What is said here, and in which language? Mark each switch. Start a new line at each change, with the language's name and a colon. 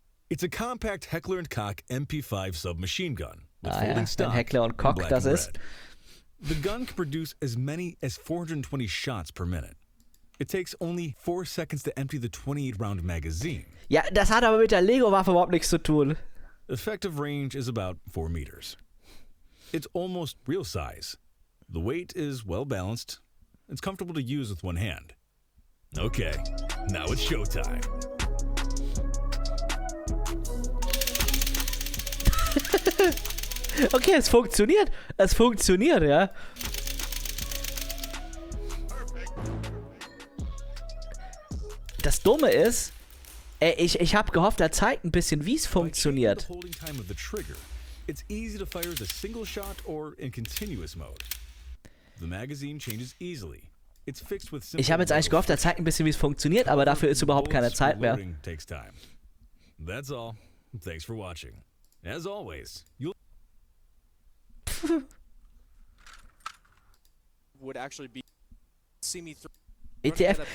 English: It's a compact Heckler and Koch MP5 submachine gun.
German: Ah, ja, wenn Heckler und Koch das ist.
English: The gun can produce as many as 420 shots per minute. It takes only 4 seconds to empty the 28-round magazine.
German: Ja, das hat aber mit der Lego-Waffe überhaupt nichts zu tun.
English: Effective range is about 4 meters. It's almost real size. The weight is well-balanced. It's comfortable to use with one hand. Okay, now it's showtime.
German: Okay, es funktioniert. Es funktioniert, ja. Das Dumme ist, ich habe gehofft, er zeigt ein bisschen, wie es funktioniert.
English: By changing the holding time of the trigger, it's easy to fire the single shot or in continuous mode. The magazine changes easily. It's fixed with
German: simple. Ich habe jetzt eigentlich gehofft, er zeigt ein bisschen, wie es funktioniert, aber dafür ist überhaupt keine Zeit mehr.
English: That's all. Thanks for watching. As always, you'll would actually be see me ETF.